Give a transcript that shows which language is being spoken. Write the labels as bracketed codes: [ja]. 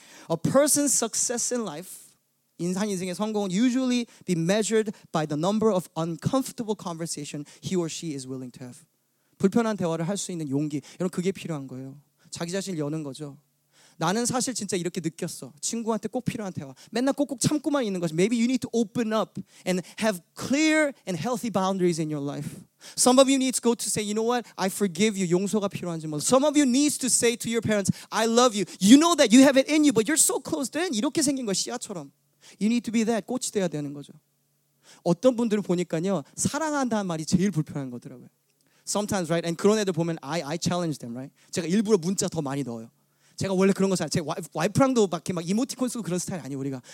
[en] A person's success in life, [ko] 인상 인생의 성공은 [en] usually be measured by the number of uncomfortable conversations he or she is willing to have. [ko] 불편한 대화를 할 수 있는 용기, 여러분 그게 필요한 거예요. 자기 자신을 여는 거죠. 나는 사실 진짜 이렇게 느꼈어. 친구한테 꼭 필요한 대화. 맨날 꼭꼭 참고만 있는 거지. [en] Maybe you need to open up and have clear and healthy boundaries in your life. Some of you need to go to say, you know what? I forgive you. [ko] 용서가 필요한지 몰라. [en] Some of you needs to say to your parents, I love you. You know that you have it in you, but you're so closed in. [ko] 이렇게 생긴 거야, 씨앗처럼. [en] You need to be that. [ko] 꽃이 돼야 되는 거죠. 어떤 분들은 보니까요, 사랑한다는 말이 제일 불편한 거더라고요. [en] Sometimes, right? And [ko] 그런 애들 보면 [en] I challenge them, right? [ko] 제가 일부러 문자 더 많이 넣어요. 제가 원래 그런 거 잘, 제 와이프랑도 막 이렇게 이모티콘 쓰고 그런 스타일 아니에요, 우리가.